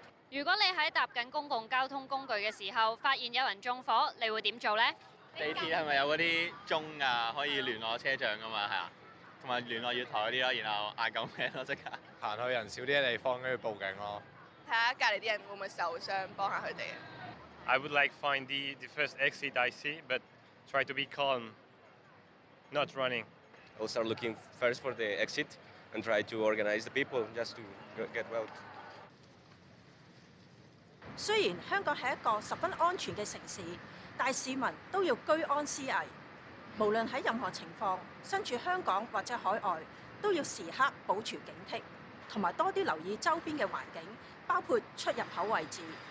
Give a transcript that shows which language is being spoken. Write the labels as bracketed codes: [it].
[yue] 如果你喺搭紧公共交通工具嘅时候，发现有人纵火，你会点做呢？地铁系咪有嗰啲钟啊，可以联络车长噶嘛，系啊，同埋联络月台嗰啲咯，然后嗌救命咯，即刻。行去人少啲嘅地方，跟住报警咯。睇下隔篱啲人会唔会受伤，帮下佢哋。 [en] I would like find the first exit I see, but try to be calm, not running. I'll start looking first for the exit and try to organize the people just to get out. [yue] 虽然香港是一个十分安全的城市，但市民都要居安思危。无论在任何情况，身处香港或者海外，都要时刻保持警惕，同埋多啲留意周边的环境，包括出入口位置。